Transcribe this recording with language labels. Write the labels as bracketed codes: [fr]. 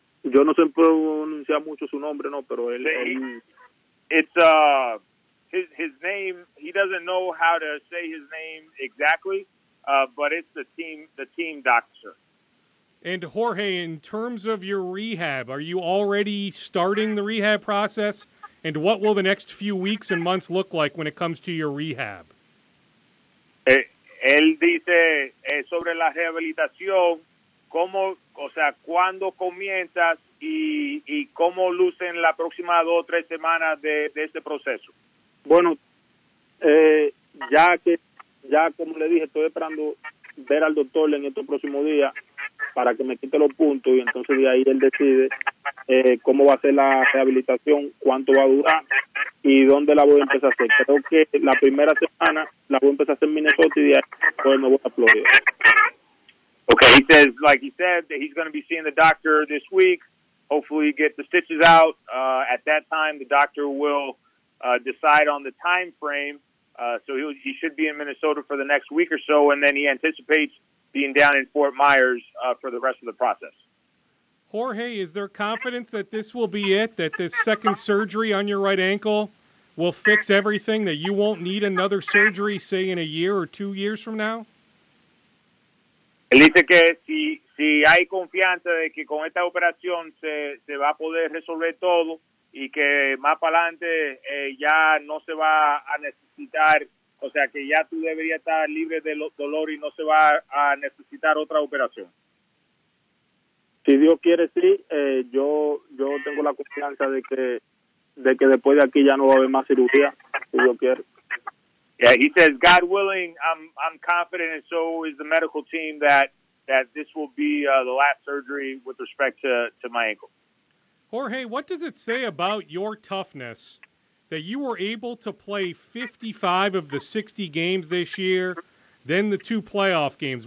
[es] Yo no sé pronunciar mucho su nombre, no, pero él... [en] It's... his name, he doesn't know how to say his name exactly, but it's the team doctor. And Jorge, in terms of your rehab, are you already starting the rehab process? And what will the next few weeks and months look like when it comes to your rehab? [es] Él dice sobre la rehabilitación, cómo, o sea, cuándo comienzas y cómo lucen las próximas dos o tres semanas de este proceso. Bueno, ya como le dije, estoy esperando ver al doctor en estos próximos días para que me quite los puntos y entonces de ahí él decide cómo va a ser la rehabilitación, cuánto va a durar y dónde la voy a empezar a hacer. Creo que la primera semana la voy a empezar a hacer en Minnesota y de ahí pues me voy a Florida. [en] Okay, he says, like he said, that he's going to be seeing the doctor this week. Hopefully get the stitches out. At that time, the doctor will decide on the time frame. So he should be in Minnesota for the next week or so, and then he anticipates being down in Fort Myers for the rest of the process. Jorge, is there confidence that this will be it, that this second surgery on your right ankle will fix everything, that you won't need another surgery, say, in a year or 2 years from now? [es] Él dice que si hay confianza de que con esta operación se va a poder resolver todo y que más para adelante ya no se va a necesitar, o sea, que ya tú deberías estar libre de dolor y no se va a necesitar otra operación. Si Dios quiere, sí. Yo tengo la confianza de que después de aquí ya no va a haber más cirugía, si Dios quiere. [en] Yeah, he says, God willing, I'm confident, and so is the medical team, that this will be the last surgery with respect to my ankle. Jorge, what does it say about your toughness that you were able to play 55 of the 60 games this year, then the two playoff games?